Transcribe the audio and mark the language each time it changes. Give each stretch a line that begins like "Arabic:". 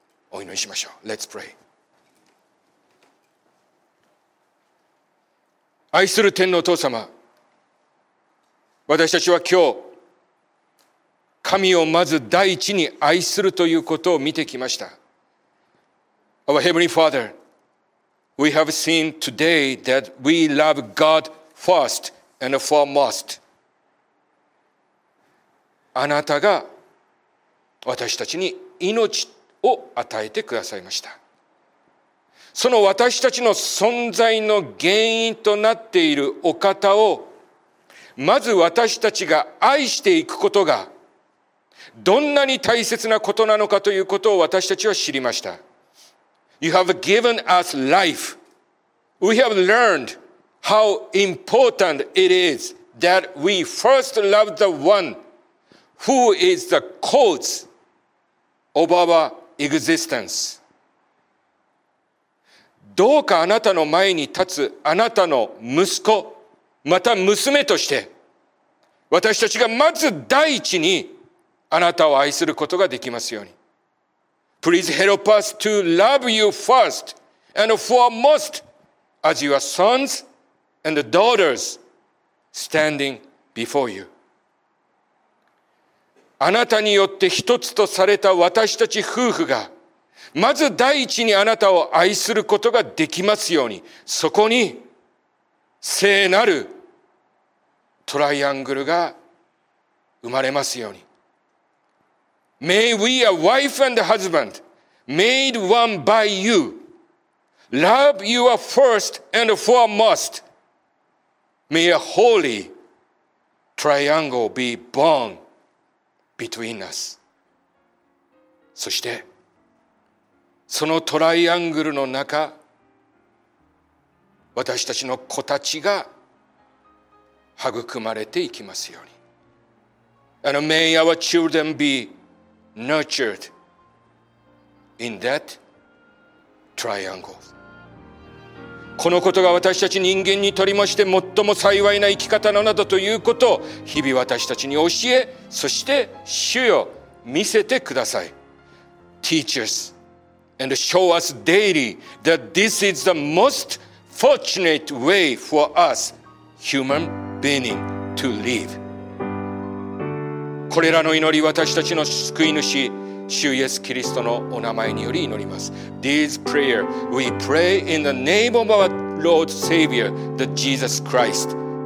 Japanese: お祈りしましょう。
English: Let's pray。
Japanese: 愛する天のお父様、私たちは今日神をまず第一に愛するということを見てきました。
English: Our Heavenly Father, we have seen today that we love God first and foremost.
Japanese: あなたが私たちに命を与えてくださいました。その私たちの存在の原因となっているお方をまず私たちが愛していくことがどんなに大切なことなのかということを私たちは知りました。
English: You have given us life. We have learned how important it is that we first love the one who is the cause of our existence.
Japanese: どうかあなたの前に立つあなたの息子また娘として私たちがまず第一にあなたを愛することができますように。
English: Please help us to love you first and foremost as your sons and daughters standing before you.
Japanese: あなたによって一つとされた私たち夫婦がまず第一にあなたを愛することができますように、そこに聖なるトライアングルが生まれますように。
English: May we, a wife and a husband, made one by you, love you first and foremost. May a holy triangle be born between us.
Japanese: そして、そのトライアングルの中、私たちの子たちが育まれていきますように。
English: And may our children be nurtured in that triangle.
Japanese: このことが私たち人間にとりまして最も幸いな生き方なのだということを日々私たちに教え、そして主よ見せてください。
English: Teach us and show us daily that this is the most fortunate way for us human beings to live.
Japanese: これらの祈り、私たちの救い主、主イエス・キリストのお名前により祈ります。
English: These prayer we pray in the name of our Lord Savior, the Jesus Christ.